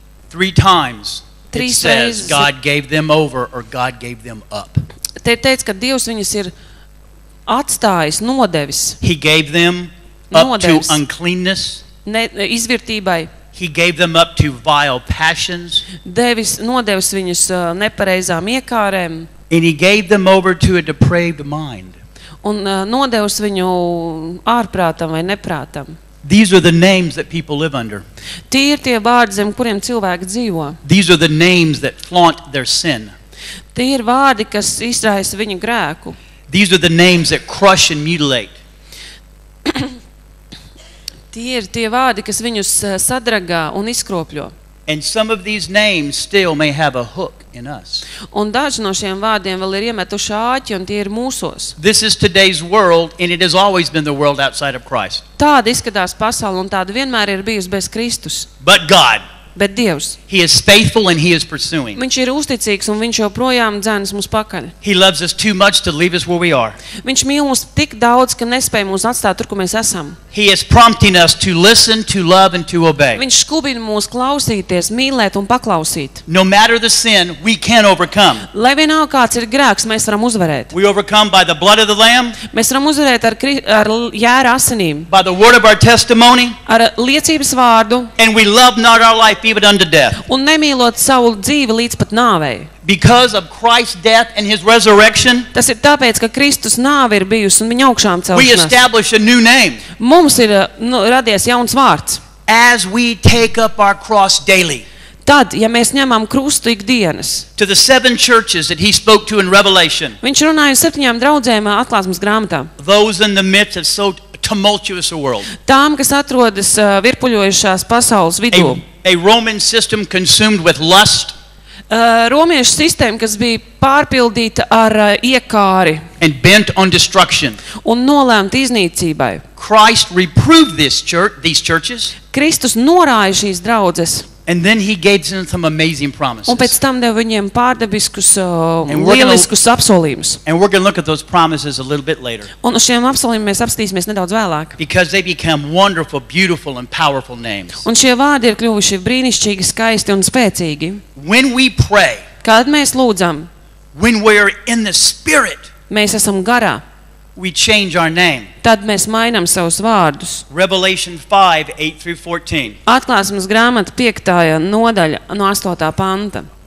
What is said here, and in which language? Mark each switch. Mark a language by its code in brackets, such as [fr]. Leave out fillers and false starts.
[en] Three times it says God gave them over or God gave them up. [lv] Te ir teicis, ka Dievs viņus ir atstājis, nodevis. [en] He gave them up to uncleanness. [lv] Izvirtībai. [en] He gave them up to vile passions. [lv] Devis, nodevis viņus nepareizām iekārēm. [en] And he gave them over to a depraved mind. [lv] Un nodevis viņu ārprātam vai neprātam. [en] These are the names that people live under. [lv] Tie ir tie vārdi, zem kuriem cilvēki dzīvo. [en] These are the names that flaunt their sin. [lv] Tie ir vārdi, kas izraisa viņu grēku. [en] These are the names that crush and mutilate. [lv] Tie ir tie vārdi, kas viņus sadragā un izkropļo. [en] And some of these names still may have a hook in us. [lv] Un daži no šiem vārdiem vēl ir iemetuši āķi, un tie ir mūsos. [en] This is today's world, and it has always been the world outside of Christ. [lv] Tāda izskatās pasaule, un tāda vienmēr ir bijusi bez Kristus. [en] But God. [lv] bet Dievs. [en] He is faithful and he is pursuing. [lv] Viņš ir uzticīgs un viņš joprojām dzenas mums pakaļ. [en] He loves us too much to leave us where we are. [lv] Viņš mīl mūs tik daudz, ka nespēj mūs atstāt tur, kur mēs esam. [en] He is prompting us to listen, to love and to obey. [lv] Viņš skubina mūs klausīties, mīlēt un paklausīt. [en] No matter the sin, we can overcome. [lv] Lai vienalga kāds ir grēks, mēs varam uzvarēt. [en] We overcome by the blood of the lamb. [lv] Mēs varam uzvarēt ar jēra asinīm. [en] By the word of our testimony. [lv] Ar liecības vārdu. [en] And we love not our life even unto death. [lv] Un nemīlot savu dzīvi līdz pat nāvei. [en] Because of Christ's death and his resurrection. [lv] Tas ir tāpēc, ka Kristus nāve ir bijusi un viņa augšām celšanās. [en] We establish a new name. [lv] Mums ir radies jauns vārds. [en] As we take up our cross daily. [lv] Tad, ja mēs ņemam krustu ikdienas. [en] To the seven churches that he spoke to in Revelation. [lv] Viņš runāja uz septiņām draudzēm Atklāsmes grāmatā. [en] Those in the midst of so tumultuous a world. [lv] Tām, kas atrodas virpuļojušās pasaules vidū. [en] A Roman system consumed with lust. [lv] Romiešu sistēma, kas bija pārpildīta ar iekāri [en] and bent on destruction. [lv] Un nolēmta iznīcībai. [en] Christ reproved this church, these churches. [lv] Kristus norāja šīs draudzes. [en] And then he gave them some amazing promises. [lv] Un pēc tam deva viņiem pārdabiskus, lieliskus apsolījumus. [en] And we're going to look at those promises a little bit later. [lv] Un uz šiem apsolījumiem mēs apskatīsimies nedaudz vēlāk. [en] Because they became wonderful, beautiful and powerful names. [lv] Un šie vārdi ir kļuvuši brīnišķīgi, skaisti un spēcīgi. [en] When we pray. [lv] Kad mēs lūdzam. [en] When we are in the spirit. [lv] Mēs esam garā. [en] We change our name. [lv] Tad mēs mainām savus vārdus. [en] Revelation 5:8-14. [lv] Atklāsmes grāmata 5. Nodaļa no 8. Panta.